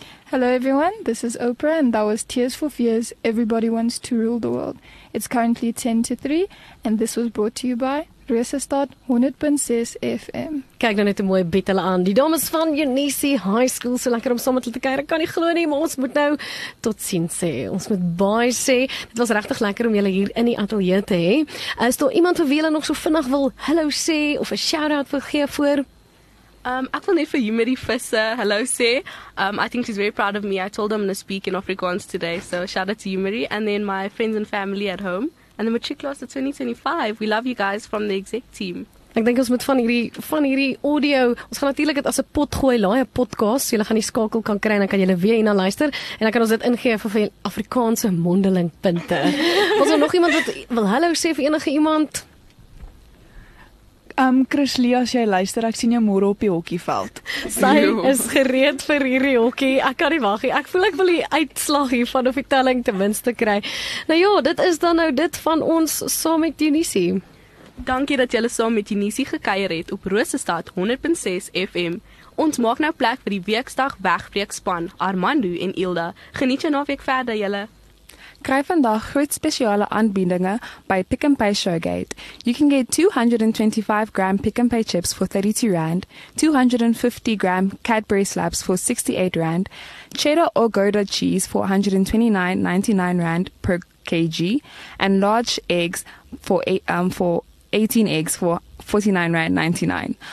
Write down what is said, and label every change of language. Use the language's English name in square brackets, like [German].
[English] Hello everyone, this is Oprah and that was Tears for Fears, Everybody Wants to Rule the World. It's currently 10 to 3 and this was brought to you by Rosestad 100.6 FM. [Afrikaans] Kyk nou net 'n mooi bietjie hulle aan. Die dames van Unisi High School, so lekker om saam met hulle te kuier. Ek kan nie glo nie, maar ons moet nou tot sien sê. Ons moet baie sê. Dit was regtig lekker om julle hier in die ateljee te hê. Is daar iemand vir wie hulle nog so vinnig wil hallo sê of 'n shout-out wil gee voor? Ek wil net vir Humidi Visser hallo sê. [English] I think she's very proud of me. I told her I'm going to speak in Afrikaans today. So shout-out to Humidi and then my friends and family at home. And the matric class of 2025. We love you guys from the exec team. [Afrikaans] Ek dink ons moet van hierdie audio, ons gaan natuurlik dit as 'n pot gooi, laai 'n podcast, so jy gaan die skakel kan kry en dan kan jy weer hierna luister en dan kan ons dit ingee vir Afrikaanse mondeling punte. Was daar nog iemand wat wil hallo sê vir enige iemand? Chris Lee, as jy luister, ek sien jou môre op die hokkieveld. Sy is gereed vir hierdie hokkie. Ek kan nie wag nie. Ek voel ek wil die uitslag hiervan of die telling ten minste kry. Nou ja, dit is dan nou dit van ons saam met Unisi. Dankie dat julle saam met Unisi gekuier het op Rosestad 100.6 FM. Ons maak nou plek vir die weekdag wegbreekspan. Armando en Ilda, geniet jou naweek verder julle. Kry vandag groot spesiale aanbiedinge by Pick n Pay Showgate. [English] You can get 225 gram Pick n Pay chips for R32, 250 gram Cadbury slabs for R68, cheddar or Gouda cheese for R129.99 per kg, and large eggs for 18 eggs for R49.99.